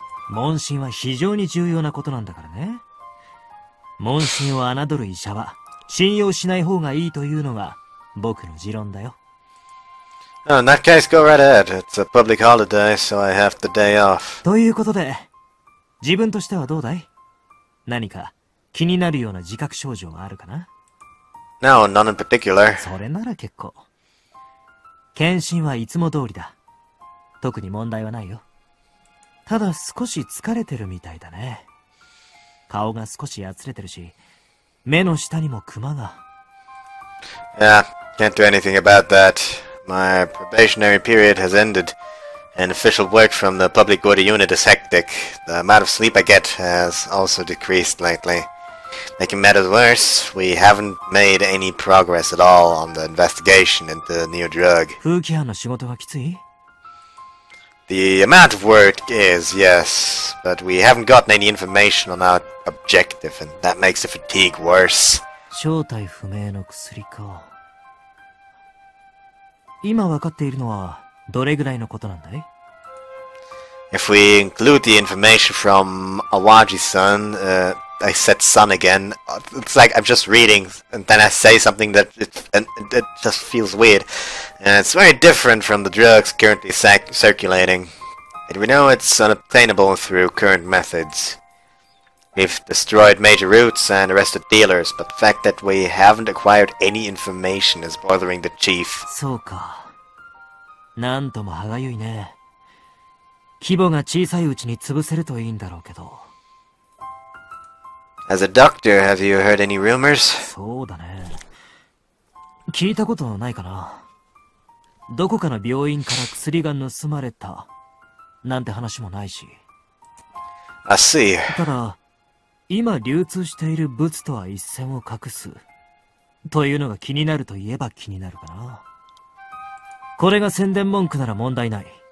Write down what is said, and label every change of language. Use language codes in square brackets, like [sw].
[ja] 問診は非常に重要なことなんだからね。問診を侮る医者は信用しない方がいいというのが僕の持論だよ。 [en] Oh, in that case, go right ahead. It's a public holiday, so I have the day off. [ja] ということで、自分としてはどうだい？何か気になるような自覚症状があるかな？ [en] No, none in particular. [ja] それなら結構。検診はいつも通りだ。特に問題はないよ。ただ少し疲れてるみたいだね。顔が少しやつれてるし、目の下にもクマが。 [en] Yeah, can't do anything about that. My probationary period has ended, and official work from the public order unit is hectic. The amount of sleep I get has also decreased lately. Making matters worse, we haven't made any progress at all on the investigation into the new drug. [ja] 風紀班の仕事がきつい？ [en] The amount of work is, yes, but we haven't gotten any information on our objective, and that makes the fatigue worse. [ja] 正体不明の薬か。今分かっているのはどれぐらいのことなんだい？ [en] If we include the information from Awaji-san, I said son again. It's like I'm just reading, and then I say something that it just feels weird. And it's very different from the drugs currently circulating. And we know it's unobtainable through current methods. We've destroyed major routes and arrested dealers, but the fact that we haven't acquired any information is bothering the chief. [ja] そうか。なんとも歯がゆいね。規模が小さいうちに潰せるといいんだろうけど。 [en] As a doctor, have you heard any rumors? [ja] そうだね。聞いたことないかな。どこかの病院から薬が盗まれた、なんて話もないし。 [en] I see. [ja] ただ、今流通している物とは一線を画す。というのが気になると言えば気になるかな。これが宣伝文句なら問題ない。